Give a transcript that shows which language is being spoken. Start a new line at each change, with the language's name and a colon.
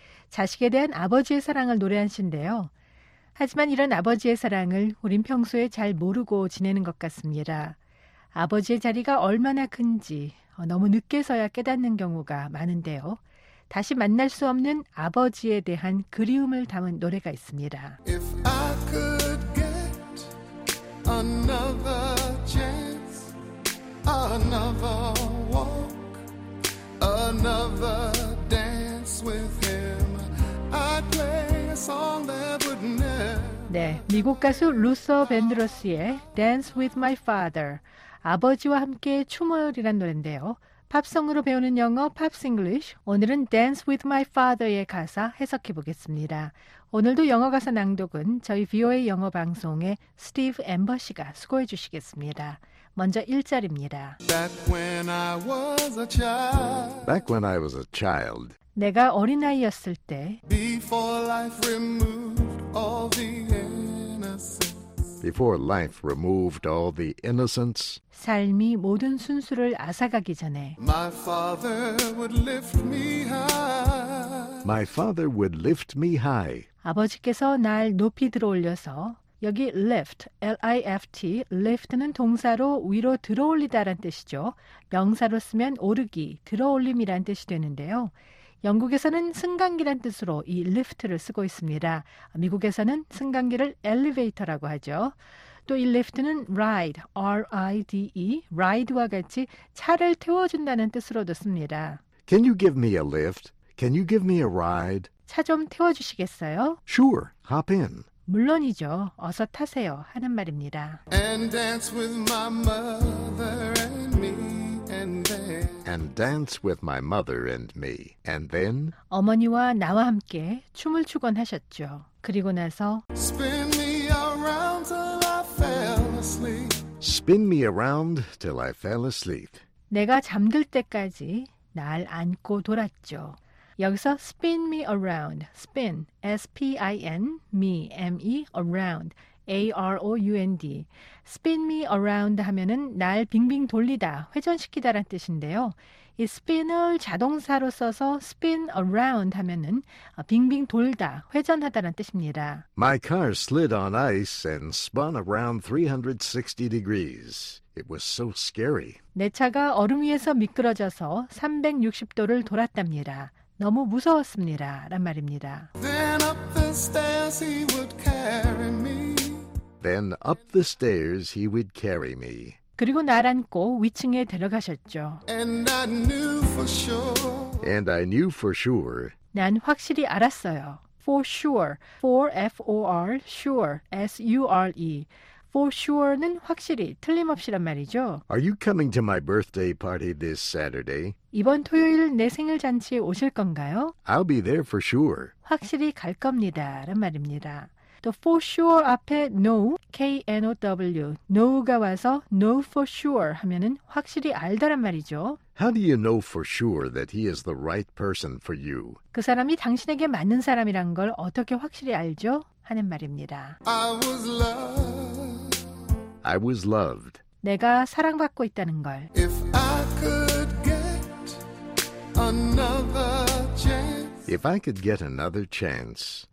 Korean: 자식에 대한 아버지의 사랑을 노래한 시인데요. 하지만 이런 아버지의 사랑을 우린 평소에 잘 모르고 지내는 것 같습니다. 아버지의 자리가 얼마나 큰지 너무 늦게서야 깨닫는 경우가 많은데요. 다시 만날 수 없는 아버지에 대한 그리움을 담은 노래가 있습니다.
English: If I could get another chance, another walk, another dance with him, I'd play a song that would never.
Korean: 네, 미국 가수 루서 벤드로스의 Dance with My Father, 아버지와 함께 춤을이란 노래인데요. 팝송으로 배우는 영어 팝스 잉글리쉬, 오늘은 Dance with my father의 가사 해석해 보겠습니다. 오늘도 영어 가사 낭독은 저희 VOA 영어 방송의 스티브 앰버 씨가 수고해 주시겠습니다. 먼저 1절입니다.
English: Back when I was a child. Back when I was a child.
Korean: 내가 어린아이였을 때.
English: Before life removed all the innocence. Before life removed all the innocence,
Korean: 삶이 모든 순수를 앗아가기 전에,
English: my father would lift me high. My father would lift me high.
Korean: 아버지께서 날 높이 들어올려서, 여기 lift, L-I-F-T, lift는 동사로 위로 들어올리다란 뜻이죠. 명사로 쓰면 오르기, 들어올림이란 뜻이 되는데요. 영국에서는 승강기란 뜻으로 이 리프트를 쓰고 있습니다. 미국에서는 승강기를 엘리베이터라고 하죠. 또 이 리프트는 ride, R-I-D-E, ride와 같이 차를 태워준다는 뜻으로도 씁니다.
English: Can you give me a lift? Can you give me a ride?
Korean: 차 좀 태워주시겠어요?
English: Sure, hop in.
Korean: 물론이죠. 어서 타세요 하는 말입니다.
English: And dance with my mother and me. And dance with my mother and me. And then?
Korean: 어머니와 나와 함께 춤을 추곤 하셨죠. 그리고 나서
English: Spin me around till Spin me around till I fell asleep.
Korean: 내가 잠들 때까지 날 안고 돌았죠. 여기서
English: spin me around, spin, S-P-I-N, me, M-E, around, A-R-O-U-N-D. Spin me around
Korean: 하면은 날 빙빙 돌리다, 회전시키다란 뜻인데요. 이 spin을 자동사로 써서
English: spin around
Korean: 하면은 빙빙 돌다, 회전하다란 뜻입니다.
English: My car slid on ice and spun around 360 degrees. It was so scary.
Korean: 내 차가 얼음 위에서 미끄러져서 360도를 돌았답니다. 너무 무서웠습니다. 란 말입니다.
English: Then up the stairs he would carry me. Then up the stairs he would carry me.
Korean: 그리고 날 안고 위층에 데려가셨죠.
English: And I knew for sure. And I knew for sure.
Korean: 난 확실히 알았어요.
English: For sure. For F-O-R. Sure. S-U-R-E.
Korean: For sure는 확실히, 틀림없이란 말이죠.
English: Are you coming to my birthday party this Saturday?
Korean: 이번 토요일 내 생일 잔치에 오실 건가요?
English: I'll be there for sure.
Korean: 확실히 갈 겁니다란 말입니다. 또
English: for sure
Korean: 앞에 know, K-N-O-W, know가 와서
English: know for sure
Korean: 하면은 확실히 알다란 말이죠.
English: How do you know for sure that he is the right person for you?
Korean: 그 사람이 당신에게 맞는 사람이란 걸 어떻게 확실히 알죠? 하는 말입니다.
English: I was loved. I was loved.
Korean: 내가 사랑받고 있다는 걸.
English: If I could get another chance. If I could get another chance.